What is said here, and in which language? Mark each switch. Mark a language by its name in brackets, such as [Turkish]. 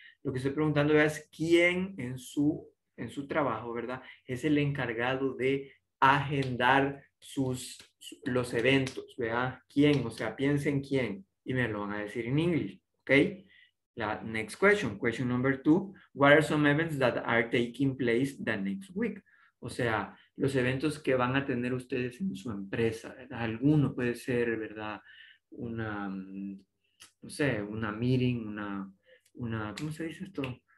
[Spanish] Lo que estoy preguntando es quién en su trabajo, ¿verdad? Es el encargado de agendar sus los eventos, ¿verdad? ¿Quién? O sea, piensen quién. Y me lo van a decir en inglés, ¿ok? [English] La next question, question number two. What are some events that are taking place the next week? [Spanish] O sea, los eventos que van a tener ustedes en su empresa. ¿Verdad? Alguno puede ser, ¿verdad? Una, no sé, una meeting, una, ¿cómo se dice esto?